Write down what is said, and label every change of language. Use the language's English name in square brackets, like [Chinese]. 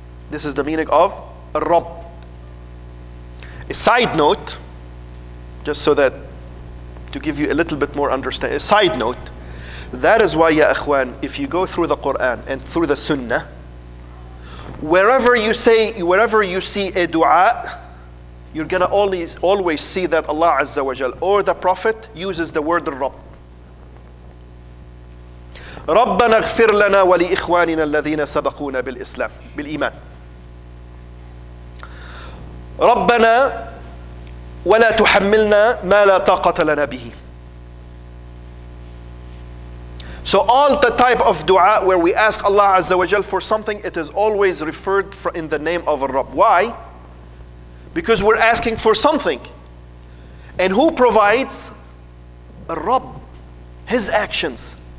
[English] This is the meaning of Rabb. A side note, just so that, to give you a little bit more understanding, a side note, that is why, ya akhwan, if you go through the Quran and through the Sunnah, wherever you see a dua, you're gonna always see that Allah Azza wa Jal or the Prophet uses the word Rabb. [Arabic] ربنا اغفر لنا ولإخواننا الذين سبقونا بالإسلام بالإيمان ربنا ولا تحملنا ما لا طاقة لنا به. [English] So all the type of dua where we ask Allah Azza wa Jal for something, it is always referred in the name of Rabb. Why? Because we're asking for something. And who provides? Rabb. His actions.